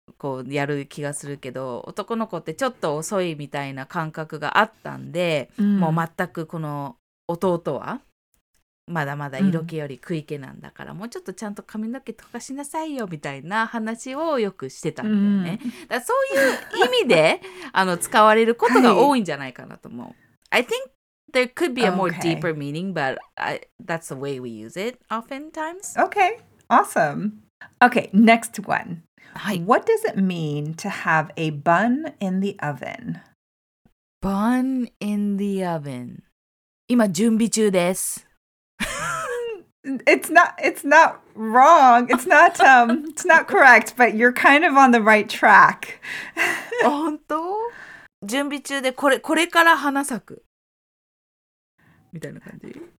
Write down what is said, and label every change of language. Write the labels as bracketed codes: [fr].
[ja] こうやる気がするけど、男の子ってちょっと遅いみたいな感覚があったんで、うん、もう全くこの弟はまだまだ色気より食い気なんだから、うん、もうちょっとちゃんと髪の毛とかしなさいよみたいな話をよくしてたんだよね、うん、だそういう意味で使われることが多いんじゃないかなと思う、はい、 [en] I think there could be a more、okay. deeper meaning but that's the way we use it oftentimes. Okay, awesome. Okay, next one. Hi. What does it mean to have a bun in the oven? Bun in the oven. 今準備中です。 It's not wrong. It's not correct, but you're kind of on the right track. [ja] 本当？準備中でこれから花咲くみたいな感じ。